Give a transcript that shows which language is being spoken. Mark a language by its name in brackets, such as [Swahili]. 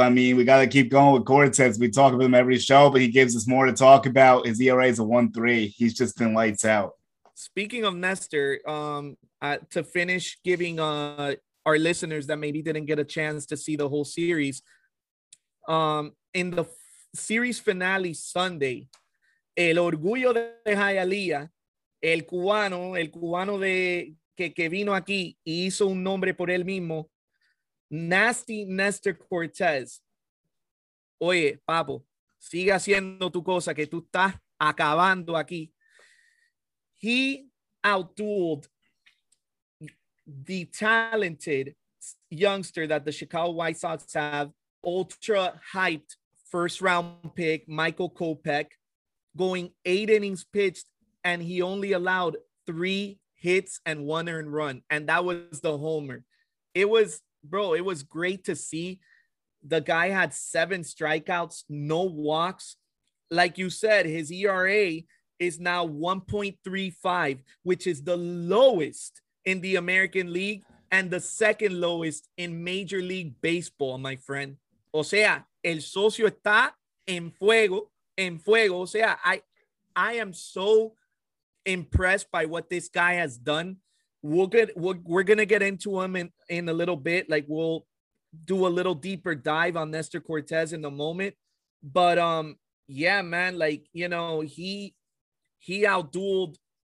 [English] I mean, we got to keep going with Cortez. We talk about him every show, but he gives us more to talk about. His ERA is a 1.3. He's just been lights out. Speaking of Nestor, to finish giving our listeners that maybe didn't get a chance to see the whole series. In the series finale Sunday, [Spanish] El Orgullo de Hialeah, el cubano de que vino aquí y hizo un nombre por él mismo, Nasty Nestor Cortez. Oye, papo, sigue haciendo tu cosa que tú estás acabando aquí. [English] He outdueled the talented youngster that the Chicago White Sox have, ultra-hyped first-round pick, Michael Kopech, going 8 innings pitched, and he only allowed 3 hits and 1 earned run, and that was the homer. It was, bro, it was great to see. The guy had 7 strikeouts, no walks. Like you said, his ERA is now 1.35, which is the lowest in the American League and the second lowest in Major League Baseball, my friend. [Spanish] O sea, el socio está en fuego. O sea, [English] I am so impressed by what this guy has done. We're going to get into him in a little bit. Like, we'll do a little deeper dive on Nestor Cortez in a moment. But, yeah, man, like, you know, he outdueled.